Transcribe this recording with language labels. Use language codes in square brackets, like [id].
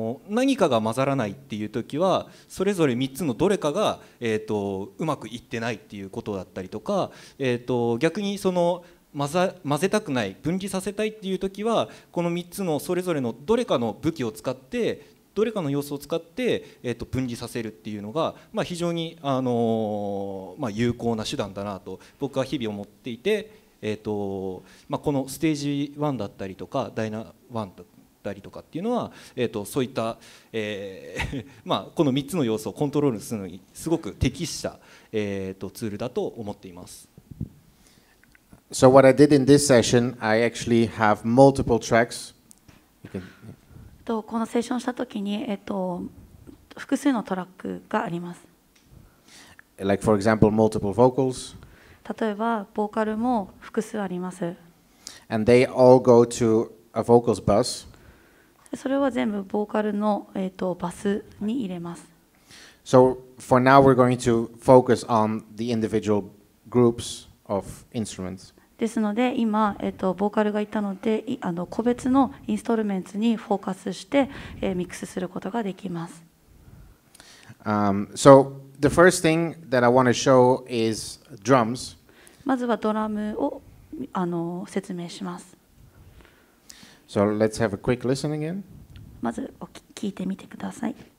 [ja] 何かが混ざらないっていう時はそれぞれ3つのどれかが、うまくいってないっていうことだったりとか、逆にその混ぜたくない、分離させたいっていう時はこの3つのそれぞれのどれかの武器を使ってどれかの要素を使って、分離させるっていうのが、非常に、有効な手段だなと僕は日々思っていて、このステージ1だったりとかダイナ1だったりとかっていうのは、そういった、この3つの要素をコントロールするのにすごく適した、ツールだと思っています。 [en] So what I did in this session, I actually have multiple tracks. You can... [ja] このセッションしたときに、複数のトラックがあります。 [en] Like for example, multiple vocals. [ja] 例えば、ボーカルも複数あります。 [en] And they all go to a vocals bus. [ja] それは全部ボーカルの、バスに入れます。 [en] So for now we're going to focus on the individual groups of instruments. [ja] ですので今、ボーカルがいたので、個別のインストルメンツにフォーカスして、ミックスすることができます。 [en] So the first thing that I want to show is drums. [ja] まずはドラムを説明します。 [en] So let's have a quick listen again. [ja] まず聞いてみてください。